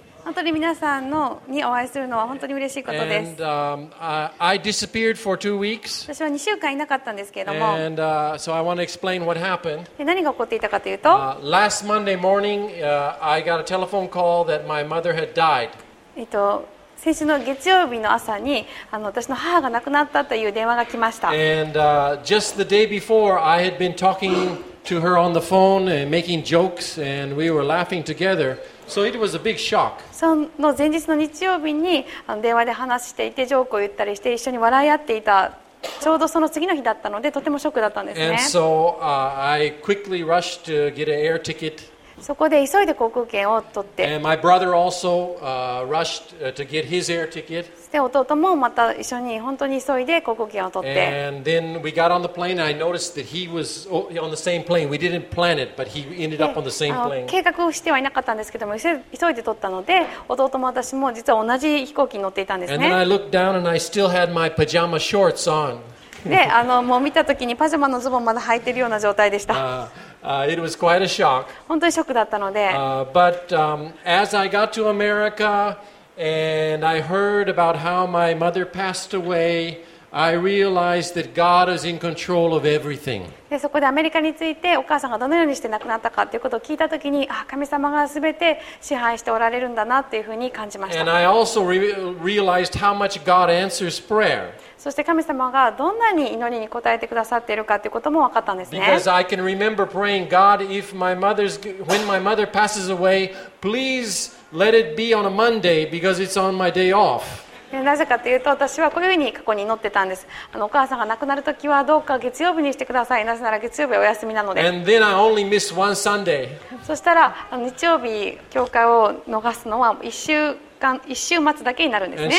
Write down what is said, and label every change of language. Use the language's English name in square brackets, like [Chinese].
[Japanese] 本当に皆さんのにお会いするのは本当に嬉しいことです。 [English] And, I disappeared for 2 weeks. [Japanese] 私は2週間いなかったんですけれども。 [English] And, so I want to explain what happened. [Japanese] 何が起こっていたかというと。 [English] Last Monday morning, I got a telephone call that my mother had died. [Japanese] 先週の月曜日の朝に私の母が亡くなったという電話が来ました。 [English] And, just the day before, I had been talking to her on the phone and making jokes and we were laughing together. So it was a big shock. [Japanese] その前日の日曜日に電話で話していてジョークを言ったりして一緒に笑い合っていたちょうどその次の日だったのでとてもショックだったんですね。 [English] And so, I quickly rushed to get an air ticket. [Japanese] そこで急いで航空券を取って。 [English] And my brother also, rushed to get his air ticket. [Japanese] で弟もまた一緒に本当に急いで航空券を取って。 [English] And then we got on the plane. I noticed that he was on the same plane. We didn't plan it, but he ended up on the same plane. [Japanese] 計画してはいなかったんですけども、急いで取ったので、弟も私も実は同じ飛行機に乗っていたんですね。 [English] And then I looked down and I still had my pajama shorts on. [Japanese] で、もう見た時にパジャマのズボンまだ履いてるような状態でした。 [English] It was quite a shock. [Japanese] 本当にショックだったので。 [English] But, as I got to America,And I heard about how my mother passed away. I realized that God is in control of everything. [Japanese] で、そこでアメリカについてお母さんがどのようにして亡くなったかということを聞いたときに、あ、神様がすべて支配しておられるんだなというふうに感じました。 [English] And I also realized how much God answers prayer. [Japanese] そして神様がどんなに祈りに応えてくださっているかということも分かったんですね。 [English] Because I can remember praying, God, if my mother's when my mother passes away, please. Let it be on a Monday because it's on my day off. [Japanese] なぜかというと、私はこういうふうに過去に祈ってたんです。お母さんが亡くなるときはどうか月曜日にしてください。なぜなら月曜日お休みなので。 [English] And then I only miss one Sunday. [Japanese] そしたら日曜日教会を逃すのは1週末だけになるんですね。